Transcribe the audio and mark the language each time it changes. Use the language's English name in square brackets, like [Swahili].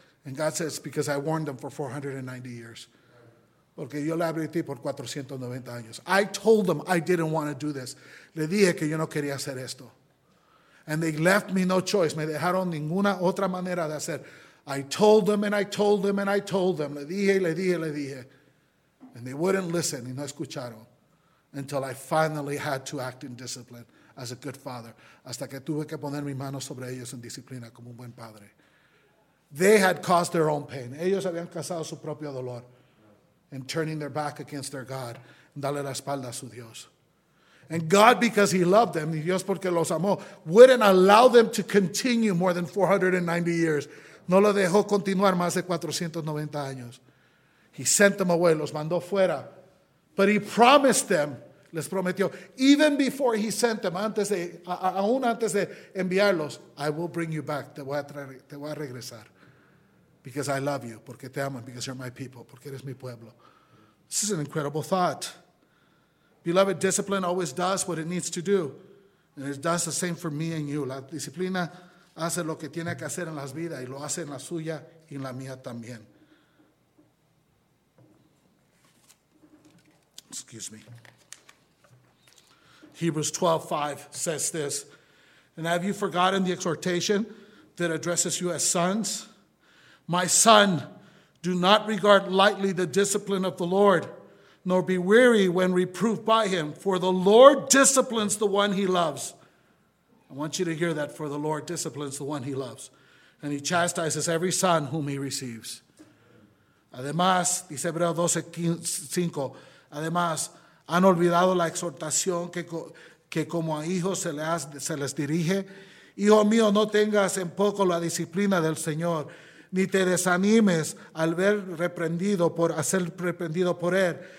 [English] And God says, because I warned them for 490 years. [Spanish] Porque yo le advertí por 490 años. [English] I told them I didn't want to do this. [Spanish] Le dije que yo no quería hacer esto. [English] And they left me no choice. [Spanish] Me dejaron ninguna otra manera de hacer. [English] I told them and I told them and I told them. [Spanish] Le dije, le dije, le dije. [English] And they wouldn't listen. [Spanish] Y no escucharon. [English] Until I finally had to act in discipline as a good father. [Spanish] Hasta que tuve que poner mi mano sobre ellos en disciplina como un buen padre. [English] They had caused their own pain. [Spanish] Ellos habían causado su propio dolor. [English] And turning their back against their God. [Spanish] Dale la espalda a su Dios. [English] And God, because he loved them, [Spanish] Dios porque los amó, [English] wouldn't allow them to continue more than 490 years. [Spanish] No lo dejó continuar más de 490 años. [English] He sent them away, [Spanish] los mandó fuera. [English] But he promised them, [Spanish] les prometió, [English] even before he sent them, [Spanish] aún antes de enviarlos, [English] I will bring you back, [Spanish] te voy a regresar. [English] Because I love you, [Spanish] porque te amo, [English] because you're my people, [Spanish] porque eres mi pueblo. [English] This is an incredible thought. Beloved, discipline always does what it needs to do. And it does the same for me and you. [Spanish] La disciplina hace lo que tiene que hacer en las vidas y lo hace en la suya y en la mía también. [English] Excuse me. Hebrews 12:5 says this. And have you forgotten the exhortation that addresses you as sons? My son, do not regard lightly the discipline of the Lord, nor be weary when reproved by him, for the Lord disciplines the one he loves. I want you to hear that, for the Lord disciplines the one he loves, and he chastises every son whom he receives. [Spanish] Además, dice Hebreo 12:5, además, han olvidado la exhortación que como a hijos se les dirige. Hijo mío, no tengas en poco la disciplina del Señor, ni te desanimes al ver reprendido por hacer reprendido por él.